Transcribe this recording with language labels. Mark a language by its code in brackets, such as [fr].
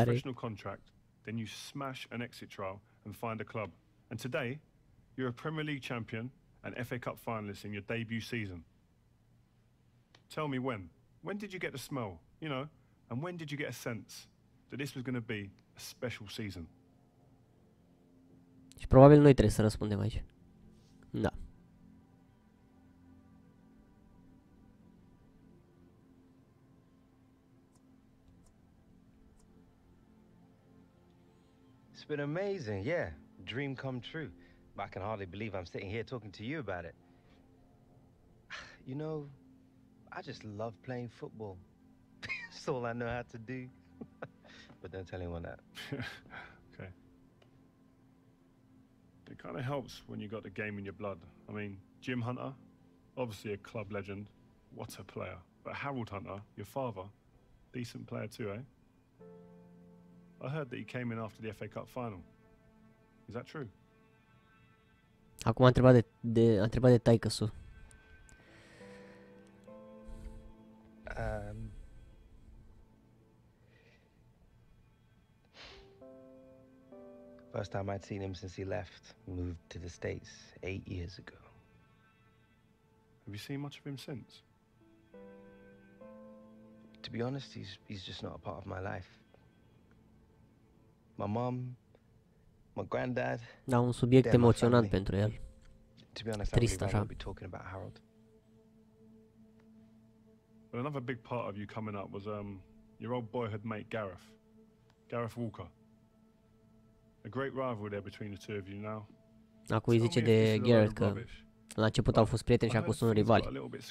[en] A professional contract, then you smash an exit trial and find a club. And today, you're a Premier League champion and FA Cup finalist in your debut season. Tell me when. When did you get the smell, you know? And when did you get a sense that this was going to be a special season? [ro] Și probabil noi trebuie să răspundem aici. Da. [en] It's been amazing, yeah. Dream come true. I can hardly believe I'm sitting here talking to you about it. You know, I just love playing football. It's all I know how to do. But don't tell anyone that. Okay. It kind of helps when you got the game in your blood. I mean, Jim Hunter, obviously a club legend. What a player. But Harold Hunter, your father, decent player too, eh? I heard that he came in after the FA Cup final. Is that true? [ro] Acum a întrebat de taică-su. [en] First time I'd seen him since he left, moved to the States 8 years ago. Have you seen much of him since? To be honest, he's just not a part of my life. My mom, my granddad. [ro] Da, un subiect emoționant pentru el. [en] To be honest, [ro] trist, așa. [en] I'll be talking about Harold. But another big part of you coming up was your old boyhood mate Gareth. Gareth Walker. A great rival there between the two of you now. [ro] Acum îi zice de Gareth că la început au fost prieteni și acum sunt rivali.